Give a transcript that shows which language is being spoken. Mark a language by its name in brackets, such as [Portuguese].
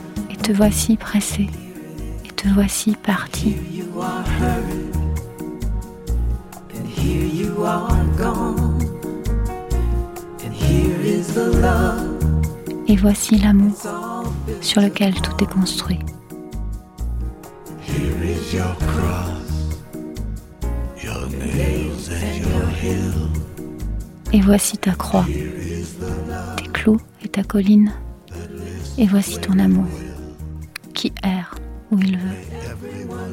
[French] Et te voici pressé, et te voici parti. Et voici l'amour sur lequel tout est construit. [English] Here is your cross, your nails and your heel. [French] Et voici ta croix, tes clous et ta colline. Et voici ton amour qui erre où il veut.